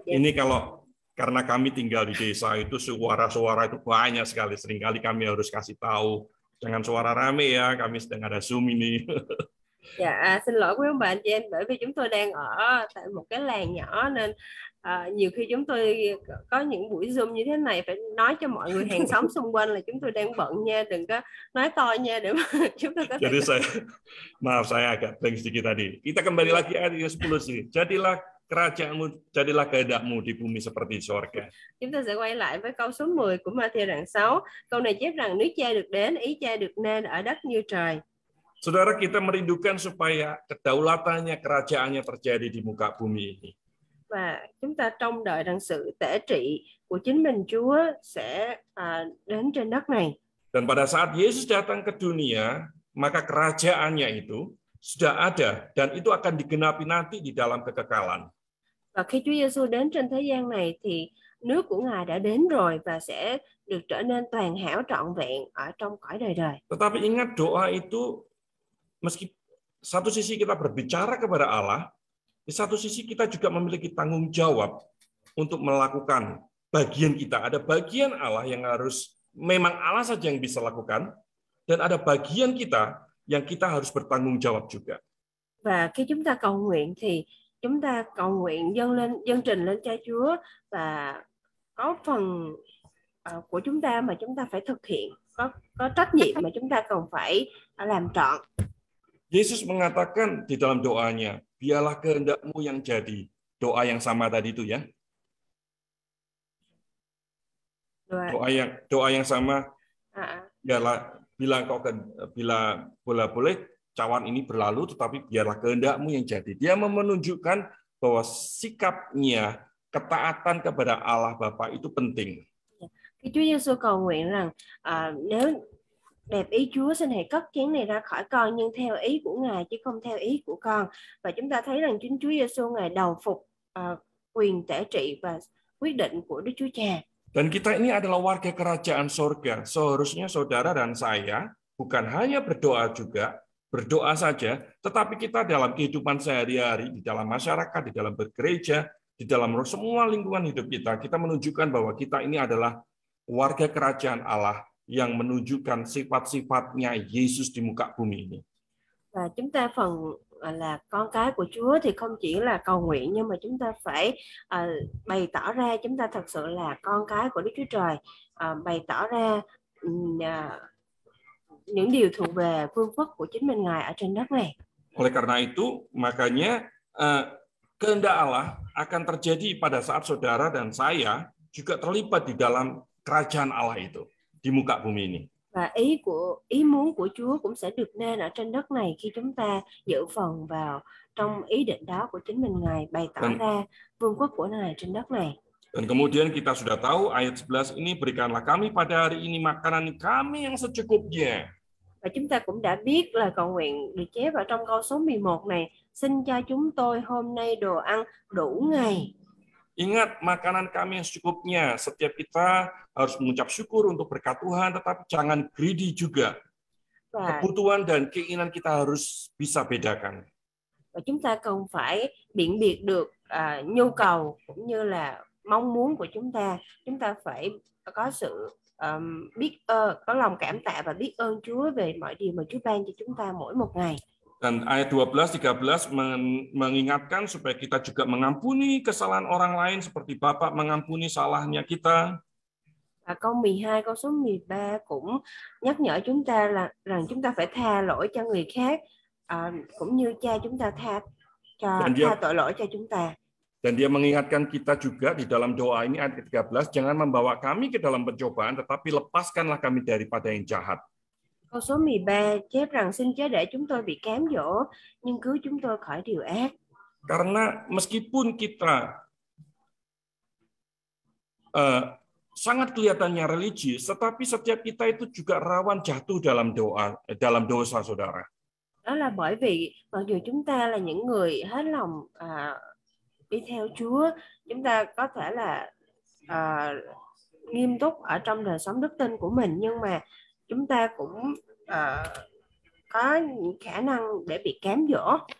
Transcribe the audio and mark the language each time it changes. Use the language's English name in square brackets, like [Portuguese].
[Indonesian] Ini kalau karena kami tinggal di desa itu suara-suara itu banyak sekali, seringkali kami harus kasih tahu jangan suara rame ya, kami sedang ada Zoom ini. [Vietnamese] Dạ, xin lỗi quý ông bà anh chị em, bởi vì chúng tôi đang ở tại một cái làng nhỏ nên nhiều khi chúng tôi có những buổi Zoom như thế này phải nói cho mọi người hàng xóm xung quanh là chúng tôi đang bận nha, đừng có nói to nha để chúng tôi có thể. [Indonesian] Jadi saya agak pelan sedikit tadi. Kita kembali lagi ayat 10 sih. Jadilah kerajaan-Mu, jadilah kehendak-Mu di bumi seperti di surga. [Vietnamese] Chúng ta sẽ quay lại với câu số 10 của Matthew đoạn 6. Câu này chép rằng nước Cha được đến, ý Cha được nên ở đất như trời. [Indonesian] Saudara, kita merindukan supaya kedaulatannya, kerajaannya terjadi di muka bumi ini. [Vietnamese] Và chúng ta trông đợi rằng sự tể trị của chính mình Chúa sẽ đến trên đất này. [Indonesian] Dan pada saat Yesus datang ke dunia, maka kerajaannya itu sudah ada dan itu akan digenapi nanti di dalam kekekalan. [Vietnamese] Và khi Chúa Giêsu đến trên thế gian này thì nước của Ngài đã đến rồi và sẽ được trở nên toàn hảo trọn vẹn ở trong cõi đời đời. [Indonesian] Tetapi ingat doa itu meski satu sisi kita berbicara kepada Allah, di satu sisi kita juga memiliki tanggung jawab untuk melakukan bagian kita. Ada bagian Allah yang harus memang Allah saja yang bisa lakukan dan ada bagian kita yang kita harus bertanggung jawab juga. [Vietnamese] Và khi chúng ta cầu nguyện thì chúng ta cầu nguyện dâng trình lên cho Chúa và có phần của chúng ta mà chúng ta phải thực hiện, có trách nhiệm mà chúng ta cần phải làm trọn. [Indonesian] Yesus mengatakan di dalam doanya, biarlah kehendak-Mu yang jadi. Doa yang sama tadi itu ya. Doa yang sama. Biarlah bila boleh cawan ini berlalu, tetapi biarlah kehendak-Mu yang jadi. Dia menunjukkan bahwa sikapnya ketaatan kepada Allah Bapa itu penting. [Vietnamese] Chúa Giêsu cầu nguyện rằng nếu đẹp ý Chúa, xin hãy cất chén này ra khỏi con, nhưng theo ý của Ngài chứ không theo ý của con. Và chúng ta thấy rằng chính Chúa Giêsu Ngài đầu phục quyền tể trị và quyết định của Đức Chúa Cha. [Indonesian] Dan kita ini adalah warga kerajaan surga. Seharusnya saudara dan saya bukan hanya berdoa saja, tetapi kita dalam kehidupan sehari-hari, di dalam masyarakat, di dalam bergereja, di dalam semua lingkungan hidup kita, kita menunjukkan bahwa kita ini adalah warga kerajaan Allah yang menunjukkan sifat-sifatnya Yesus di muka bumi ini. [Vietnamese] Và chúng ta phần là con cái của Chúa thì không chỉ là cầu nguyện, nhưng mà chúng ta phải bày tỏ ra chúng ta thật sự là con cái của Đức Chúa Trời, bày tỏ ra những điều thuộc về vương quốc của chính mình Ngài ở trên đất này. [Indonesian] Oleh karena itu, makanya kehendak Allah akan terjadi pada saat saudara dan saya juga terlibat di dalam kerajaan Allah itu di muka bumi ini. [Vietnamese] Và ý muốn của Chúa cũng sẽ được nên ở trên đất này khi chúng ta giữ phần vào trong ý định đó của chính mình Ngài, bày tỏ ra vương quốc của Ngài trên đất này. [Indonesian] Dan kemudian kita sudah tahu ayat 11 ini, berikanlah kami pada hari ini makanan kami yang secukupnya. [Vietnamese] Và chúng ta cũng đã biết lời cầu nguyện được chép ở trong câu số 11 này: xin cho chúng tôi hôm nay đồ ăn đủ ngày. [Indonesian] Ingat makanan kami yang secukupnya. Setiap kita harus mengucap syukur untuk berkat Tuhan, tetapi jangan greedy juga. Kebutuhan dan keinginan kita harus bisa bedakan. [Vietnamese] Và chúng ta cần phải biện biệt được nhu cầu cũng như là mong muốn của chúng ta. Chúng ta phải có sự biết ơn, có lòng cảm tạ và biết ơn Chúa về mọi điều mà Chúa ban cho chúng ta mỗi một ngày. [Indonesian] Dan ayat 12-13 mengingatkan supaya kita juga mengampuni kesalahan orang lain seperti Bapa mengampuni salahnya kita. [Vietnamese] Câu 12, câu số 13 cũng nhắc nhở chúng ta là rằng chúng ta phải tha lỗi cho người khác cũng như cha chúng ta tha tội lỗi cho chúng ta. [Indonesian] Dan dia mengingatkan kita juga di dalam doa ini ayat 13, jangan membawa kami ke dalam pencobaan tetapi lepaskanlah kami daripada yang jahat. [Vietnamese] Câu số 13 chép rằng xin Chúa để chúng tôi bị cám dỗ nhưng cứu chúng tôi khỏi điều ác. [Indonesian] Karena meskipun kita sangat kelihatannya religius, tetapi setiap kita itu juga rawan jatuh dalam doa, dalam dosa, saudara. [Vietnamese] Đó là bởi vì mặc dù chúng ta là những người hết lòng đi theo Chúa, chúng ta có thể là nghiêm túc ở trong đời sống đức tin của mình, nhưng mà chúng ta cũng có khả năng để bị kém dỗ.